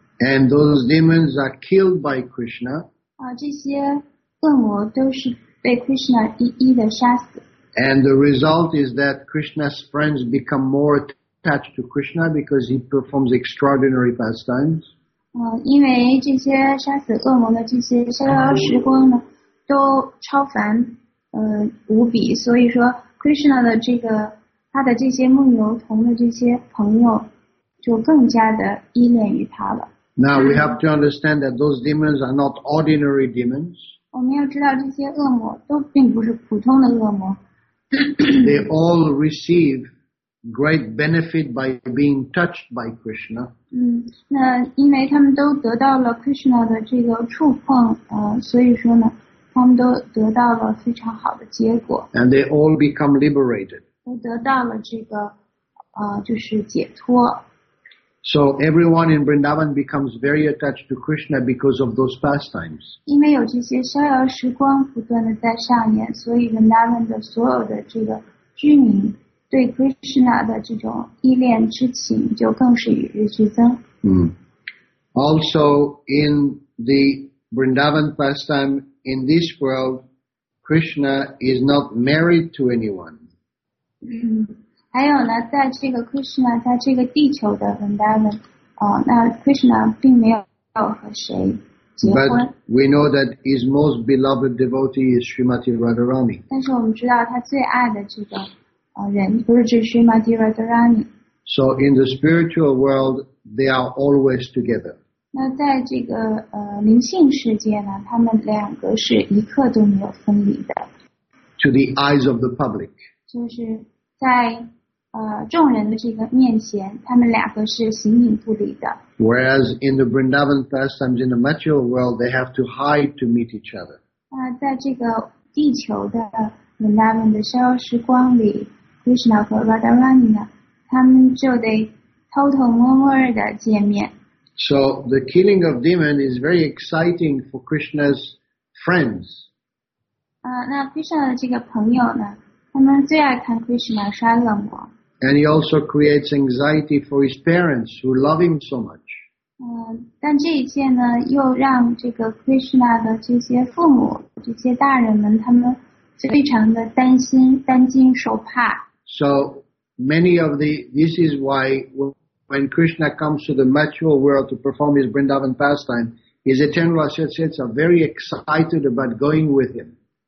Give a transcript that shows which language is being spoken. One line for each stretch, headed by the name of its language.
English: And those demons are killed by Krishna.
Chinese: 这些恶魔都是被 Krishna 一一的杀死。
English: And the result is that Krishna's friends become more attached to Krishna because he performs extraordinary pastimes.
Chinese: 因为这些杀死恶魔的这些逍遥时光呢，都超凡，无比。所以说 ，Krishna 的这个他的这些牧牛童的这些朋友，就更加的依恋于他了。
English: Now we have to understand that those demons are not ordinary demons.
Chinese: 我们要知道这些恶魔都并不是普通的恶魔。
English: They all receive great benefit by being touched by Krishna.
Chinese: 那因为他们都得到了 Krishna 的这个触碰，所以说呢，他们都得到了非常好的结果。
English: And they all become liberated.
Chinese: 都得到了这个，就是解脱。
English: So everyone in Vrindavan becomes very attached to Krishna because of those pastimes.
Chinese: 因为有这些逍遥时光不断的在上演，所以 Vrindavan 的所有的这个居民对 Krishna 的这种依恋之情就更是与日俱增。
English: Also in the Vrindavan pastime in this world, Krishna is not married to anyone.
Chinese: 还有呢，在这个 Krishna 在这个地球的 Vrindavan， 那 Krishna 并没有和谁结婚。
English: But we know that his most beloved devotee is Srimati Radharani.
Chinese: 但是我们知道他最爱的这个人不是指 Srimati Radharani。
English: So in the spiritual world, they are always together.
Chinese: 那在这个灵性世界呢，他们两个是一刻都没有分离的。
English: To the eyes of the public.
Chinese: 就是。在众人的这个面前，他们两个是形影不离的。
English: Whereas in the Vrindavan pastimes in the material world, they have to hide to meet each other.
Chinese: 在这个地球的 Vrindavan 的逍遥时光里 ，Krishna 和 Radharani 呢，他们就得偷偷摸摸的见面。
English: So the killing of demon is very exciting for Krishna's friends.
Chinese: 那 Krishna 的这个朋友呢？他们最爱看 Krishna 杀冷光。
English: And he also creates anxiety for his parents who love him so much.
Chinese: 但这一切呢，又让这个 Krishna 的这些父母、这些大人们，他们非常的担心、担惊受怕。
English: So many of the this is why when Krishna comes to the material world to perform his Vrindavan pastime, his eternal associates are very excited about going with him.